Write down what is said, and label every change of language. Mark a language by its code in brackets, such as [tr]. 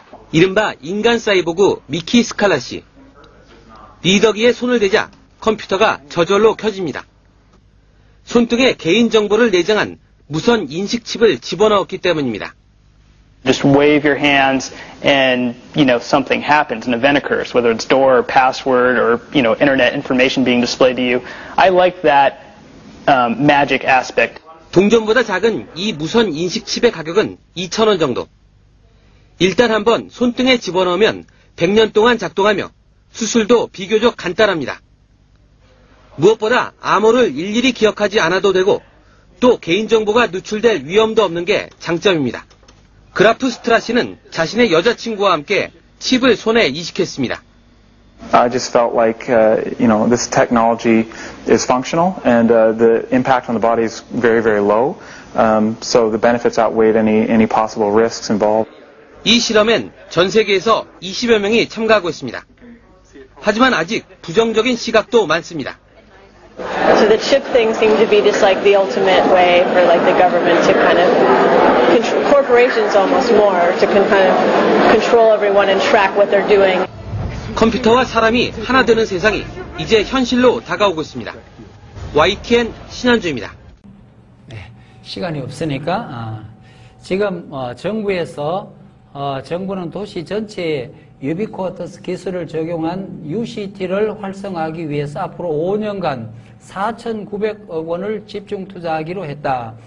[ko] 이른바 인간 사이보그 미키 스칼라 씨. 리더기에 손을 대자 컴퓨터가 저절로 켜집니다. 손등에 개인정보를 내장한 무선 인식칩을 집어넣었기 때문입니다. [en] Just wave your hands and, you know, something happens, an event occurs, whether it's door or password or, you know, internet information being displayed to you. I like that magic aspect. [ko] 동전보다 작은 이 무선 인식칩의 가격은 2,000원 정도. 일단 한번 손등에 집어넣으면 100년 동안 작동하며 수술도 비교적 간단합니다. 무엇보다 암호를 일일이 기억하지 않아도 되고 또 개인정보가 누출될 위험도 없는 게 장점입니다. 그라프 스트라 씨는 자신의 여자친구와 함께 칩을 손에 이식했습니다. [en] I just felt like, you know, this technology is functional and the impact on the body is very, very low. So the benefits outweighed any possible risks involved. [ko] 이 실험엔 전 세계에서 20여 명이 참가하고 있습니다. 하지만 아직 부정적인 시각도 많습니다. [en] So the chip thing seemed to be just like the ultimate way for like the government to kind of corporations almost more to kind of control everyone and track what they're doing. [ko] 컴퓨터와 사람이 하나 되는 세상이 이제 현실로 다가오고 있습니다. YTN 신현주입니다. 네, 시간이 없으니까 지금 정부에서 정부는 도시 전체에 유비쿼터스 기술을 적용한 UCT를 활성화하기 위해서 앞으로 5년간 4,900억 원을 집중 투자하기로 했다.